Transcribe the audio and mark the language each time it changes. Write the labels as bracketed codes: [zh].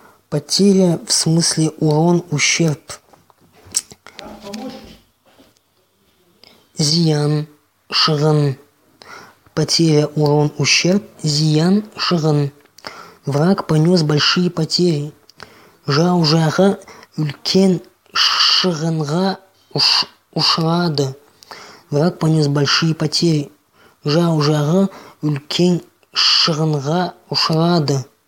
[ru] Потеря в смысле урон, ущерб. [kk] Зиян, шығын. [ru] Потеря, урон, ущерб. [kk] Зиян, шығын. [ru] Враг понес большие потери. [kk] Жау-жағы үлкен шығынға ұшырады. [ru] Враг понес большие потери. [kk] Жау-жағы үлкен шығынға ұшырады.